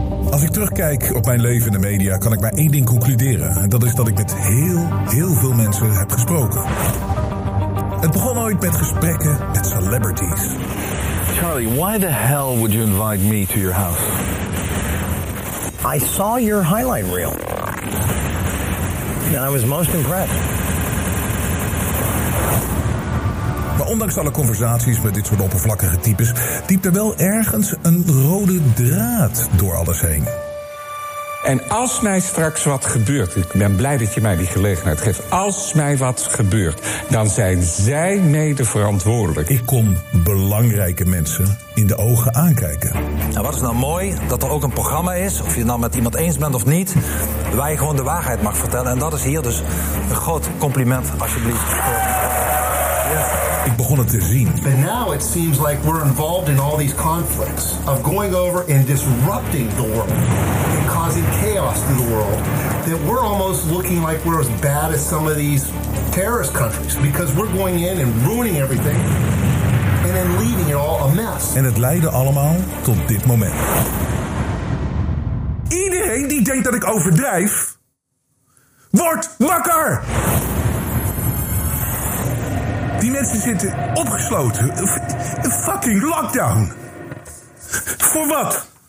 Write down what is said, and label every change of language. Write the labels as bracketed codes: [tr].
[nl] Als ik terugkijk op mijn leven in de media, kan ik maar één ding concluderen. En dat is dat ik met heel, heel veel mensen heb gesproken. Het begon ooit met gesprekken met celebrities. [en] Charlie, why the hell would you invite me to your house? I saw your highlight reel. And I was most impressed. [nl] Maar ondanks alle conversaties met dit soort oppervlakkige types, diept er wel ergens een rode draad door alles heen. En als mij straks wat gebeurt, ik ben blij dat je mij die gelegenheid geeft, als mij wat gebeurt, dan zijn zij mede verantwoordelijk. Ik kom belangrijke mensen in de ogen aankijken. En wat is nou mooi, dat er ook een programma is, of je het nou met iemand eens bent of niet, waar je gewoon de waarheid mag vertellen. En dat is hier dus een groot compliment, alsjeblieft. Ik begon het te zien. [en] But now it seems like we're involved in all these conflicts of going over and disrupting the world and causing chaos through the world. That we're almost looking like we're as bad as some of these terrorist countries because we're going in and ruining everything and then leaving it all a mess. [nl] En het leidde allemaal tot dit moment. Iedereen die denkt dat ik overdrijf, wordt wakker! Die mensen zitten opgesloten. Een fucking lockdown. Voor wat?